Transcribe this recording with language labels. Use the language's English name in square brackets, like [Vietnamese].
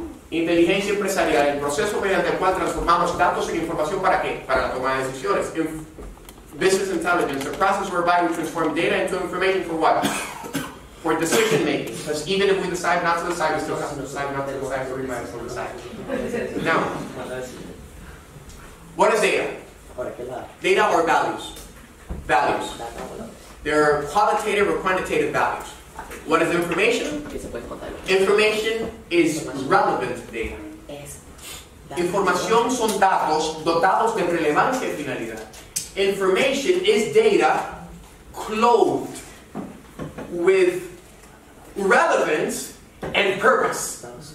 [Spanish] Inteligencia empresarial, el proceso mediante el cual transformamos datos en información para qué? Para la toma de decisiones. [English] Business intelligence, the process whereby we transform data into information for what? For decision making. Because even if we decide not to decide, we still have to decide not to decide, so we might as well decide. Now, what is data? Data or values? Values. There are qualitative or quantitative values. What is information? Information is relevant data. [Spanish] Información son datos dotados de relevancia y finalidad. [English] Information is data clothed with relevance and purpose.